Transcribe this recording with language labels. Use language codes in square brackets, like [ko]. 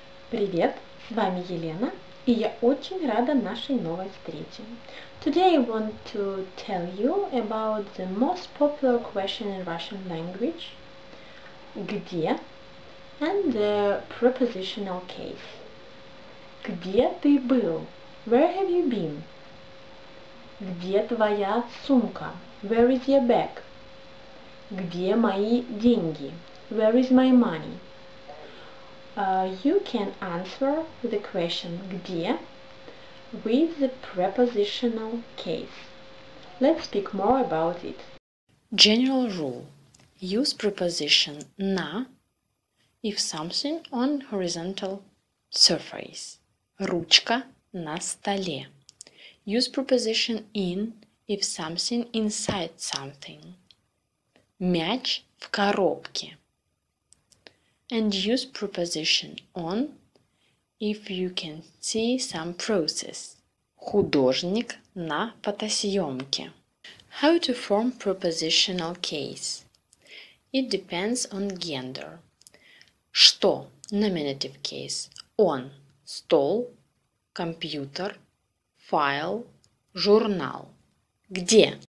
[ru] Привет, вами Елена, и я очень рада нашей новой встрече. [en] Today I want to tell you about the most popular question in Russian language, где, and the prepositional case. [ru] Где ты был? [en] Where have you been? [ru] Где твоя сумка? [en] Where is your bag? [ru] Где мои деньги? [en] Where is my money? You can answer the question где with the prepositional case. Let's speak more about it. General rule. Use preposition на if something on horizontal surface. [ru] Ручка на столе. [en] Use preposition in if something inside something. [ru] Мяч в коробке. [en] And use preposition on if you can see some process. [ru] Художник на фотосъемке. [en] How to form prepositional case? It depends on gender. [ru] Что? [en] Nominative case. On. [ru] Стол. Компьютер. Файл. Журнал. Где?